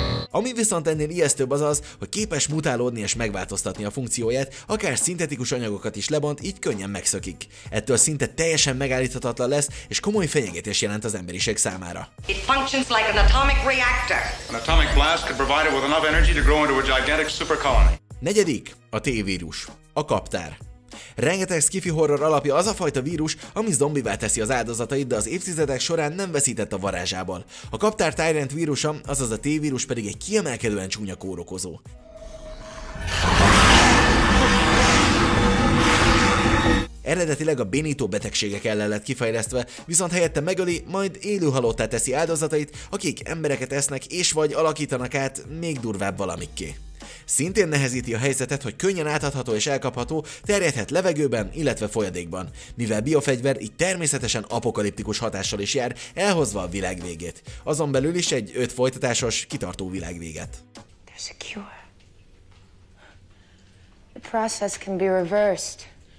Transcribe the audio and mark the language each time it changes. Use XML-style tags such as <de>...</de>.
<hu>Ami viszont ennél ijesztőbb az az, hogy képes mutálódni és megváltoztatni a funkcióját, akár szintetikus anyagokat is lebont, így könnyen megszökik. Ettől szinte teljesen megállíthatatlan lesz, és komoly fenyegetés jelent az emberiség számára.</hu> <en>It functions like an atomic reactor. An atomic blast could provide it with enough energy to grow into a gigantic super colony.</en> <hu>Negyedik, a T-vírus. A kaptár. Rengeteg sci-fi horror alapja az a fajta vírus, ami zombivá teszi az áldozatait, de az évtizedek során nem veszített a varázsából. A kaptár Tyrant vírusa, azaz a T-vírus pedig egy kiemelkedően csúnya kórokozó. Eredetileg a bénító betegségek ellen lett kifejlesztve, viszont helyette megöli, majd élőhalottá teszi áldozatait, akik embereket esznek és vagy alakítanak át még durvább valamikké. Szintén nehezíti a helyzetet, hogy könnyen átadható és elkapható, terjedhet levegőben, illetve folyadékban. Mivel biofegyver, így természetesen apokaliptikus hatással is jár, elhozva a világ végét. Azon belül is egy 5 folytatásos, kitartó világ véget.</hu> <en>There's a cure. The process can be reversed.</en>